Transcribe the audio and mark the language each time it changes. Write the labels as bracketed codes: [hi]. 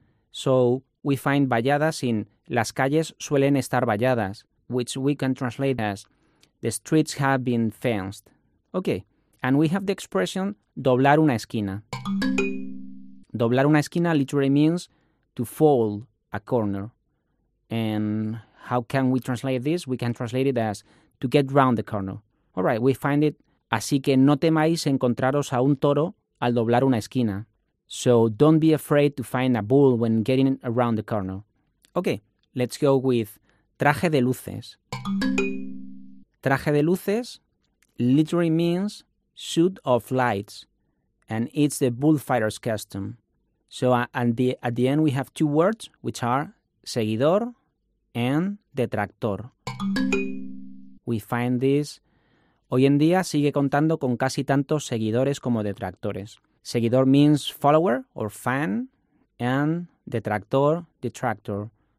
[en] So we find valladas in [es] las calles suelen estar valladas, [en] which we can translate as the streets have been fenced. Okay, and we have the expression [es] doblar una esquina. Doblar una esquina [en] literally means to fold a corner. And how can we translate this? We can translate it as to get round the corner. All right, we find it. [es] Así que no temáis encontraros a un toro al doblar una esquina. [en] So don't be afraid to find a bull when getting around the corner. Okay, let's go with traje de luces. Traje de luces literally means suit of lights. And it's the bullfighter's custom. So at the end, we have two words, which are seguidor and detractor. We find this. [es] Hoy en día sigue contando con casi tantos seguidores como detractores. [en] Seguidor means follower or fan, and detractor, detractor.